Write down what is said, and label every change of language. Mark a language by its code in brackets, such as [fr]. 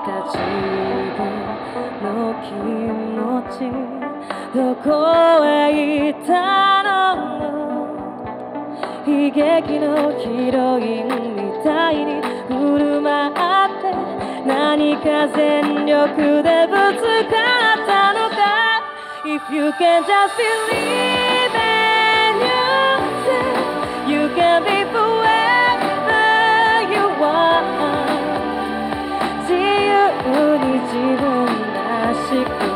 [ja] 自分の気持ちどこへ行ったの。悲劇のヒロインみたいに振る舞って、何か全力でぶつかったのか。 [en] If you can just believe in yourself, you can be whoever you want. [ja] 自由に自分らしく、